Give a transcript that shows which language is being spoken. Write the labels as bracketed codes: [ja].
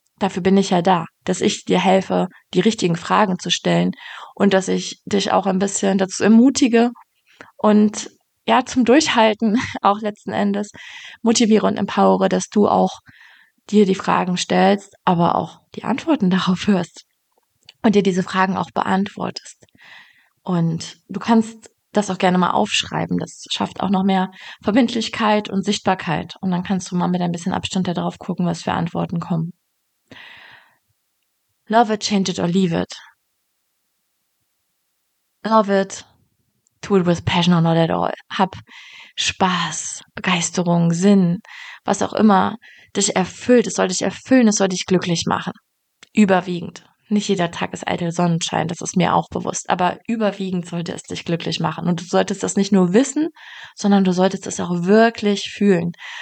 [de] Dafür bin ich ja da, dass ich dir helfe, die richtigen Fragen zu stellen und dass ich dich auch ein bisschen dazu ermutige und ja zum Durchhalten auch letzten Endes motiviere und empowere, dass du auch dir die Fragen stellst, aber auch die Antworten darauf hörst. Und dir diese Fragen auch beantwortest. Und du kannst das auch gerne mal aufschreiben. Das schafft auch noch mehr Verbindlichkeit und Sichtbarkeit. Und dann kannst du mal mit ein bisschen Abstand darauf gucken, was für Antworten kommen. [en] Love it, change it or leave it. Love it, do it with passion or not at all. [de] Hab Spaß, Begeisterung, Sinn, was auch immer dich erfüllt. Es soll dich erfüllen, es soll dich glücklich machen. Überwiegend. Nicht jeder Tag ist eitel Sonnenschein, das ist mir auch bewusst. Aber überwiegend sollte es dich glücklich machen. Und du solltest das nicht nur wissen, sondern du solltest es auch wirklich fühlen.